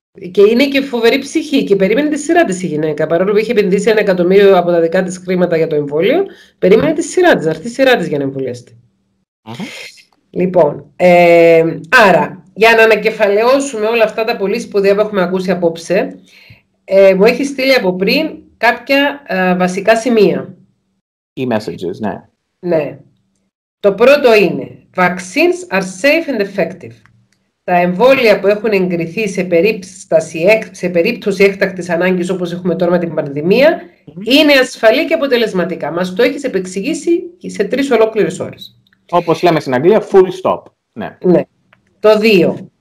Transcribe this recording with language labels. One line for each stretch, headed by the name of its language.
Greek: Και είναι και φοβερή ψυχή και περίμενε τη σειρά της η γυναίκα. Παρόλο που είχε επενδύσει 1 εκατομμύριο από τα δικά της χρήματα για το εμβόλιο, περίμενε τη σειρά της, να έρθει η σειρά της για να εμβολιαστεί. Λοιπόν, άρα, για να ανακεφαλαιώσουμε όλα αυτά τα πολύ σπουδαία που έχουμε ακούσει απόψε, μου έχει στείλει από πριν κάποια βασικά σημεία. E-messages, ναι. Ναι. Το πρώτο είναι,
English: vaccines are safe and effective.
Greek: Τα εμβόλια που έχουν εγκριθεί σε περίπτωση έκτακτης ανάγκης όπως έχουμε τώρα με την πανδημία, είναι ασφαλή και αποτελεσματικά. Μας το έχεις επεξηγήσει σε 3 ολόκληρες ώρες. Όπως λέμε στην Αγγλία, full stop. Ναι. Ναι. Το 2.